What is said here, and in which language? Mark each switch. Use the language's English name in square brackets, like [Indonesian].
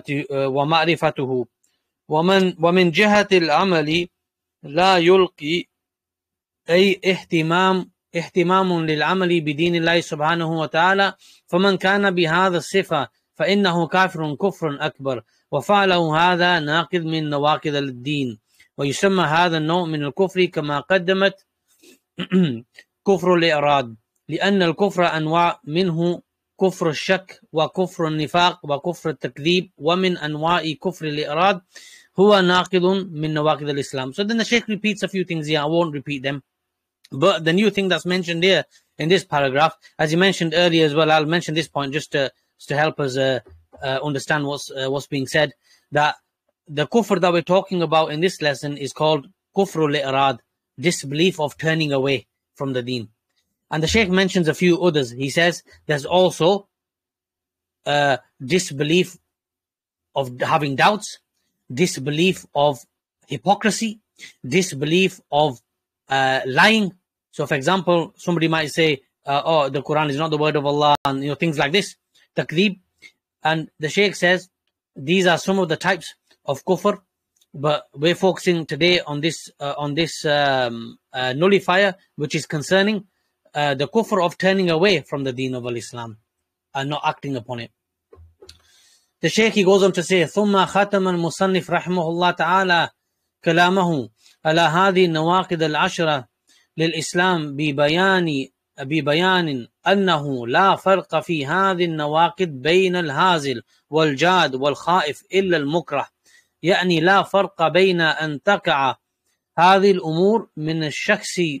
[Arabic] وَمَعْرِفَتُهُ وَمِنْ جَهَةِ الْعَمَلِ لَا يُلْقِي أي اهتمام للعمل بدين الله سبحانه وتعالى فمن كان بهذا الصفة فإنه كافر كفر أكبر وفعله هذا ناقض من نواقض الدين ويسمى هذا النوع من الكفر كما قدمت كفر الإعراض لأن الكفر أنواع منه كفر الشك وكفر النفاق وكفر التكذيب ومن أنواع كفر الإعراض هو ناقض من نواقض الإسلام. [English] So then the Sheikh repeats a few things here. I won't repeat them. But the new thing that's mentioned here in this paragraph, as you mentioned earlier as well, I'll mention this point just to help us understand what's being said, that the kufr that we're talking about in this lesson is called kufru li'rad, disbelief of turning away from the deen. And the Shaykh mentions a few others. He says there's also disbelief of having doubts, disbelief of hypocrisy, disbelief of lying. So, for example, somebody might say, the Quran is not the word of Allah, and you know, things like this, takdeeb. And the Shaykh says, these are some of the types of kufr, but we're focusing today on this nullifier, which is concerning the kufr of turning away from the deen of Islam and not acting upon it. The Shaykh, he goes on to say, [Arabic] ثُمَّ خَتَمَ الْمُصَنِّفِ رَحْمُهُ اللَّهُ تَعَالَى كَلَامَهُ عَلَى هَذِي النَّوَاقِدَ الْعَشْرَةِ للإسلام ببيان أنه لا فرق في هذه النواقض بين الهازل والجاد والخائف إلا المكره يعني لا فرق بين أن تقع هذه الأمور من الشخص